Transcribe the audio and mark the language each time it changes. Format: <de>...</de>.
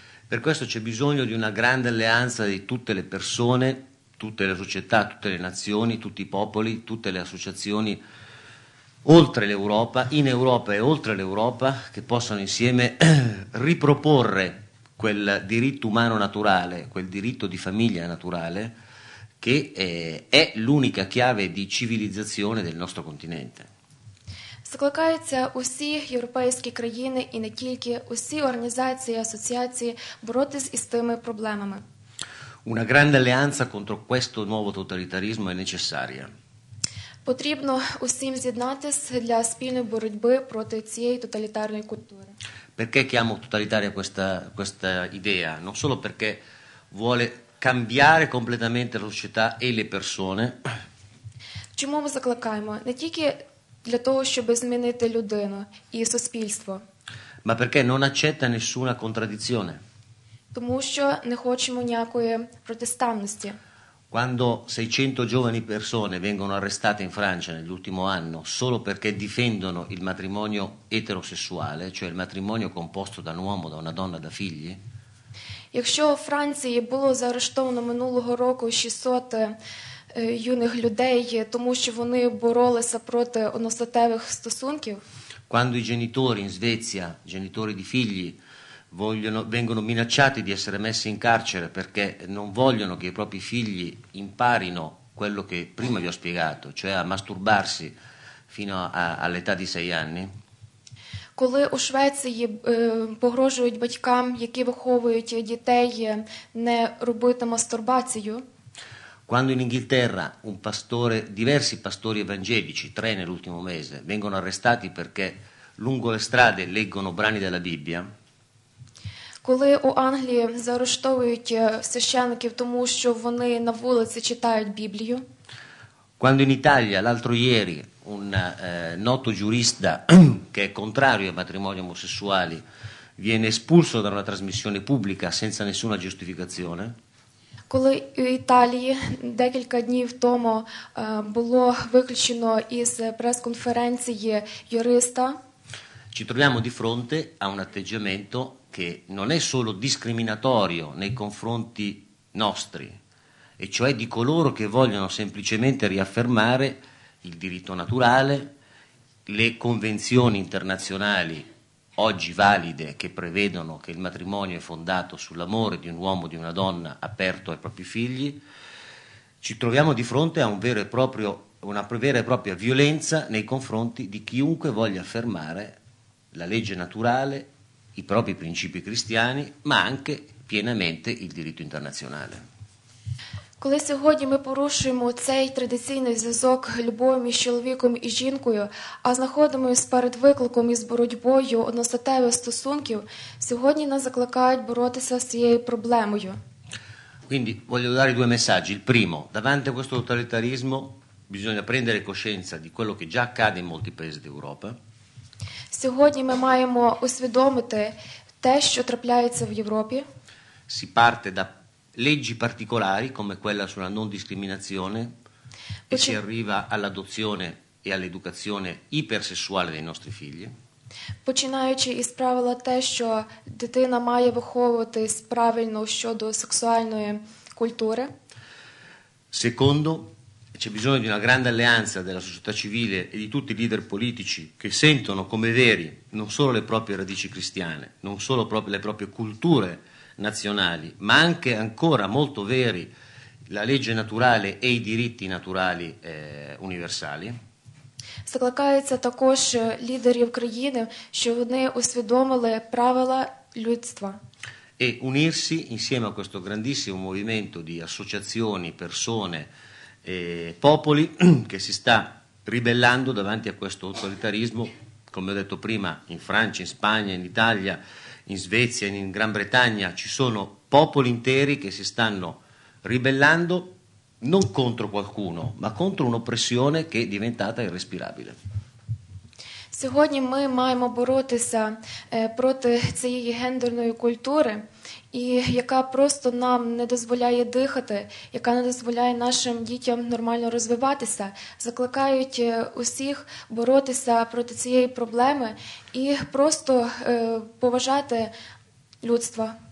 <it>Per questo c'è bisogno di una grande alleanza di tutte le persone, tutte le società, tutte le nazioni, tutti i popoli, tutte le associazioni oltre l'Europa, in Europa e oltre l'Europa, che possano insieme riproporre quel diritto umano naturale, quel diritto di famiglia naturale, che è l'unica chiave di civilizzazione del nostro continente.</it> <uk>Скликаються усі європейські країни і не тільки, усі організації, асоціації боротись із тими проблемами.</uk> <it>Una grande alleanza contro questo nuovo totalitarismo è necessaria.</it> <uk>Потрібно усім з'єднатися для спільної боротьби проти цієї тоталітарної культури.</uk> <it>Perché chiamo totalitaria questa idea? Non solo perché vuole cambiare completamente la società e le persone.</it> <uk>Чому ми закликаємо? Не тільки для того, щоб змінити людину і суспільство.</uk> <it>Ma perché non accetta nessuna contraddizione.</it> <uk>Тому що не хочемо ніякої протиставності.</uk> <it>Quando 600 giovani persone vengono arrestate in Francia nell'ultimo anno solo perché difendono il matrimonio eterosessuale, cioè il matrimonio composto da un uomo, da una donna, da figli?</it> <uk>Якщо у Франції було заарештовано минулого року 600 юних людей, тому що вони боролися проти одностатевих стосунків?</uk> <it>Quando i genitori in Svezia, genitori di figli, vengono minacciati di essere messi in carcere perché non vogliono che i propri figli imparino quello che prima vi ho spiegato, cioè a masturbarsi fino all'età di 6 anni.</it> <uk>Коли у Швеції погрожують батькам, які виховують дітей, не робити мастурбацію.</uk> <it>Quando in Inghilterra diversi pastori evangelici, 3 nell'ultimo mese, vengono arrestati perché lungo le strade leggono brani della Bibbia.</it> <uk>Коли у Англії заарештовують священників, тому що вони на вулиці читають Біблію.</uk> <it>Quando in Italia l'altro ieri un noto giurista che è contrario ai matrimoni omosessuali viene espulso da una trasmissione pubblica senza nessuna giustificazione?</it> <uk>Коли в Італії декілька днів тому було виключено із прес-конференції юриста,</uk> <it>ci troviamo di fronte a un atteggiamento che non è solo discriminatorio nei confronti nostri, e cioè di coloro che vogliono semplicemente riaffermare il diritto naturale, le convenzioni internazionali oggi valide che prevedono che il matrimonio è fondato sull'amore di un uomo e di una donna aperto ai propri figli, ci troviamo di fronte a un vero e proprio, una vera e propria violenza nei confronti di chiunque voglia affermare la legge naturale, i propri principi cristiani, ma anche pienamente il diritto internazionale.</it> <uk>Коли сьогодні ми порушуємо цей традиційний зв'язок любові між чоловіком і жінкою, а знаходимося перед викликом із боротьбою одностатевих стосунків, сьогодні нас закликають боротися з цією проблемою.</uk> <it>Quindi voglio dare due messaggi. Il primo, davanti a questo totalitarismo bisogna prendere coscienza di quello che già accade in molti paesi d'Europa.</it> <uk>Сьогодні ми маємо усвідомити те, що трапляється в Європі.</uk> <it>Si parte da leggi particolari come quella sulla non discriminazione e si arriva all'adozione e all'educazione ipersessuale dei nostri figli.</it> <uk>Починаючи із правила те, що дитина має виховуватись правильно щодо сексуальної культури.</uk> <it>Secondo, c'è bisogno di una grande alleanza della società civile e di tutti i leader politici che sentono come veri non solo le proprie radici cristiane, non solo proprio le proprie culture nazionali, ma anche ancora molto veri la legge naturale e i diritti naturali universali.</it> <uk>Закликається також лідерів країни, що вони усвідомили правила людства.</uk> <it>E unirsi insieme a questo grandissimo movimento di associazioni, persone, popoli che si sta ribellando davanti a questo autoritarismo, come ho detto prima, in Francia, in Spagna, in Italia, in Svezia, in Gran Bretagna ci sono popoli interi che si stanno ribellando non contro qualcuno, ma contro un'oppressione che è diventata irrespirabile.</it> <uk>Сьогодні ми маємо боротися проти цієї гендерної культури, і яка просто нам не дозволяє дихати, яка не дозволяє нашим дітям нормально розвиватися. Закликають усіх боротися проти цієї проблеми і просто поважати людство.</uk>